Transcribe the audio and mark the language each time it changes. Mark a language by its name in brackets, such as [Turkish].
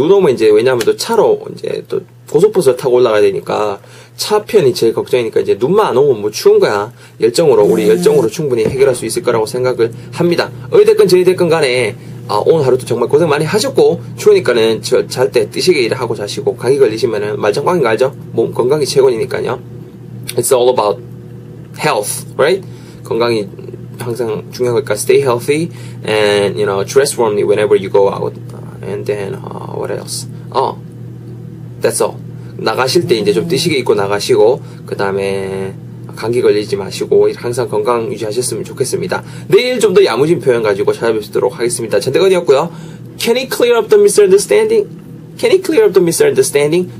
[Korean] 눈 오면 이제 왜냐하면 또 차로 이제 또 고속버스를 타고 올라가야 되니까 차 편이 제일 걱정이니까 이제 눈만 안 오면 뭐 추운 거야. 열정으로 충분히 해결할 수 있을 거라고 생각을 합니다. 어디 됐건 저리 됐건 간에 오늘 하루도 정말 고생 많이 하셨고 추우니까는 잘 때 뜨시게 일을 하고 자시고 감기 걸리시면은 말장광인 거 알죠? 몸 건강이 최고니까요. [English] It's all about health, right? [Korean] 건강이 항상 중요한 거니까 [English] stay healthy and you know dress warmly whenever you go out and then what else? That's all. [Korean] 나가실 때 이제 좀 뜨시게 입고 나가시고 그 다음에 감기 걸리지 마시고 항상 건강 유지하셨으면 좋겠습니다. 내일 좀 더 야무진 표현 가지고 찾아뵙도록 하겠습니다. 전대건이었고요. [English] Can he clear up the misunderstanding? Can he clear up the misunderstanding?